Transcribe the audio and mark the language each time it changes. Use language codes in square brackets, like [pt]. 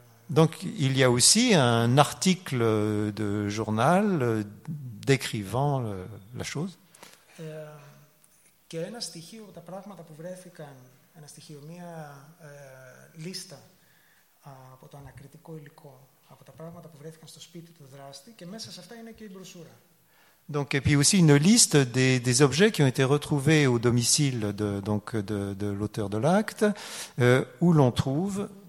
[fr] Donc, il y a aussi un article de journal décrivant la chose. [el] Και ένα στοιχείο, τα πράγματα που βρέθηκαν, ένα στοιχείο, μία λίστα από το ανακριτικό υλικό, από τα πράγματα που βρέθηκαν στο σπίτι του δράστη και μέσα σε αυτά είναι και η μπροσούρα. [fr] Donc, et puis aussi une liste des objets qui ont été retrouvés au domicile de l'auteur de l'acte, où l'on trouve...